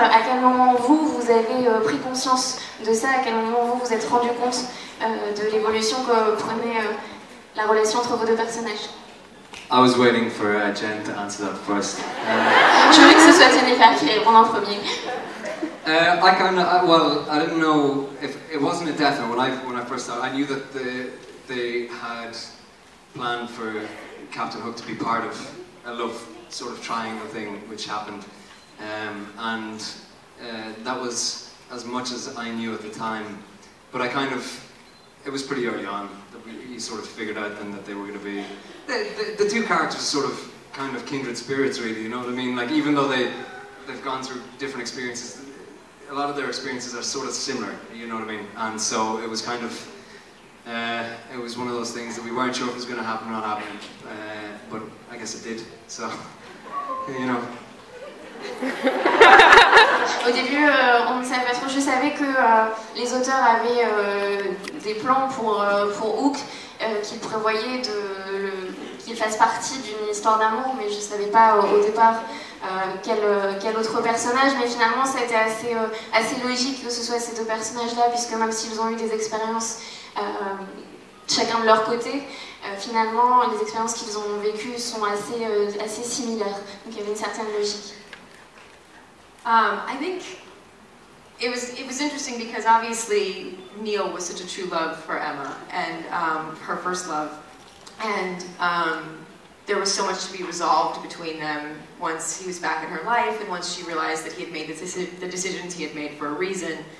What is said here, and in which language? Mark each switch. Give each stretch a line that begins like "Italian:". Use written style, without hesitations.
French: À quel moment vous avez pris conscience de ça? À quel moment vous êtes rendu compte de l'évolution que prenait la relation entre vos deux personnages?
English: I was waiting for Jen to answer that first.
French: Je voulais que ce soit Jennifer qui réponde en premier.
English: I didn't know if it wasn't a death. When I first started, I knew that they had planned for Captain Hook to be part of a love sort of triangle thing, which happened, and that was as much as I knew at the time. But it was pretty early on that we sort of figured out then that they were going to be the two characters, sort of kind of kindred spirits, really. You know what I mean? Like, even though they've gone through different experiences, a lot of their experiences are sort of similar, you know what I mean? And so it was kind of, it was one of those things that we weren't sure if it was going to happen or not happen, but I guess it did, so, you know.
French: Au début, on ne savait pas trop. Je savais que les auteurs avaient des plans pour Hook, qu'ils prévoyaient qu'il fasse partie d'une histoire d'amour, mais je ne savais pas au départ quel autre personnage. Mais finalement, ça a été assez logique que ce soit ces deux personnages-là, puisque même s'ils ont eu des expériences chacun de leur côté, finalement, les expériences qu'ils ont vécues sont assez similaires. Donc il y avait une certaine logique.
English: I think it was interesting because obviously Neil was such a true love for Emma and her first love, and there was so much to be resolved between them once he was back in her life and once she realized that he had made the decisions he had made for a reason.